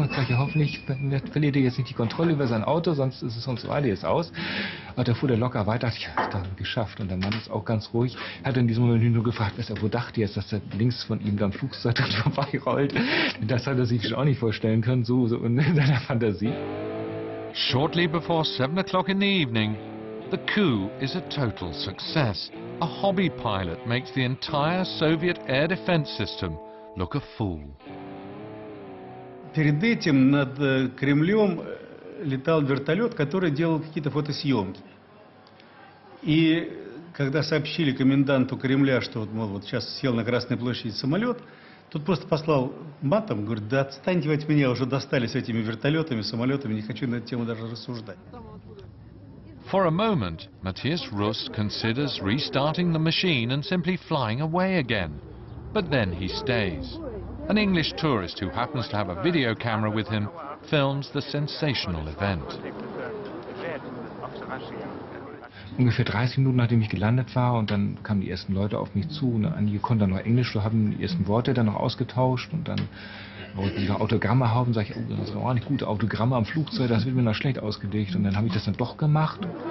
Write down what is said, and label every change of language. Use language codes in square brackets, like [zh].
[de] Und sagte, hoffentlich verliert er jetzt nicht die Kontrolle über sein Auto, sonst ist es uns so alles aus. Und da fuhr der locker weiter. Ich habe es dann geschafft. Und der Mann ist auch ganz ruhig. Hat in diesem Moment nur gefragt, was er wohl dachte jetzt, dass er links von ihm dann Flugzeug dann vorbeirollt. Das hat er sich schon auch nicht vorstellen können. So in seiner Fantasie. [en] Shortly before 7 o'clock in the evening, the coup is a total success. A hobby pilot makes the entire Soviet air defense system look a fool. [ru] Перед этим над Кремлем летал вертолет, который делал какие-то фотосъемки. И когда сообщили коменданту Кремля, что вот, мол, вот сейчас сел на Красной площади самолет, тот просто послал матом, говорит, да отстаньте вы от меня, уже достали с этими вертолетами, самолетами, не хочу на эту тему даже рассуждать. [en] For a moment, Matthias Rust considers restarting the machine and simply flying away again. But then he stays. An English tourist who happens to have a video camera with him films the sensational event. [de] Ungefähr 30 Minuten, nachdem ich gelandet war, und dann kamen die ersten Leute auf mich zu. Und einige konnten dann noch Englisch, so haben die ersten Worte dann noch ausgetauscht. Und dann wollte ich diese Autogramme haben. Sag ich, oh, das war auch nicht gut, Autogramme am Flugzeug, das wird mir noch schlecht ausgelegt. Und dann habe ich das dann doch gemacht.